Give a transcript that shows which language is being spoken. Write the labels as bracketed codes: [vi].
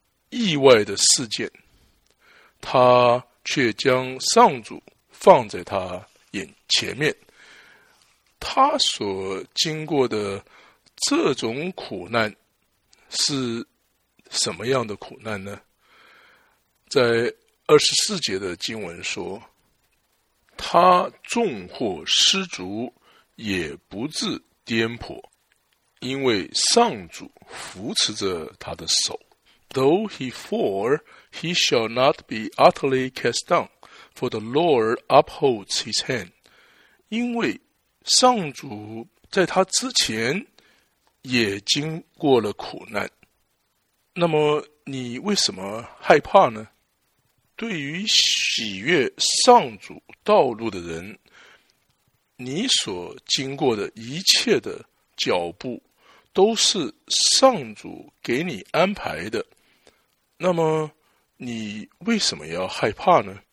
[zh] 意外的事件，他却将上主放在他眼前面，他所经过的这种苦难是什么样的苦难呢？在24节的经文说，他纵或失足也不致颠簸，因为上主扶持着他的手。 [en] Though he fall, he shall not be utterly cast down, for the Lord upholds his hand. [zh] 因为上主在他之前也经过了苦难，那么你为什么害怕呢？对于喜悦上主道路的人，你所经过的一切的脚步都是上主给你安排的，那么你为什么要害怕呢？